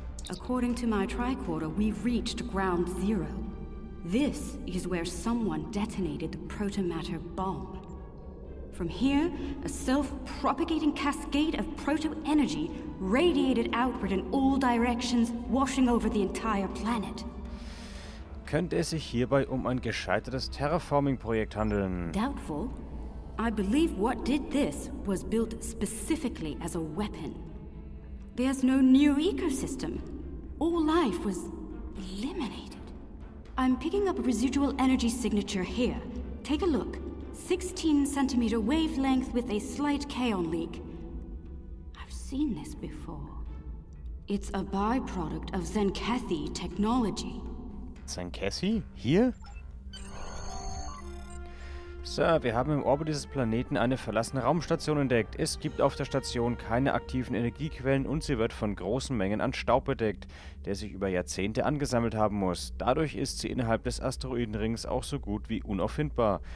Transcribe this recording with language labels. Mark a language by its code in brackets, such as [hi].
[en] According to my tricorder, we've reached ground zero. This is where someone detonated the protomatter bomb. From here, a self-propagating cascade of proto-energy radiated outward in all directions, washing over the entire planet. [de] Könnte es sich hierbei um ein gescheitertes Terraforming-Projekt handeln? [en] Doubtful. I believe what did this was built specifically as a weapon. There's no new ecosystem. All life was eliminated. I'm picking up a residual energy signature here. Take a look. 16 centimeter wavelength with a slight kaon leak. I've seen this before. It's a byproduct of Zenkethi technology. Zenkethi? Here? [de] Sir, wir haben im Orbit dieses Planeten eine verlassene Raumstation entdeckt. Es gibt auf der Station keine aktiven Energiequellen und sie wird von großen Mengen an Staub bedeckt, der sich über Jahrzehnte angesammelt haben muss. Dadurch ist sie innerhalb des Asteroidenrings auch so gut wie unauffindbar.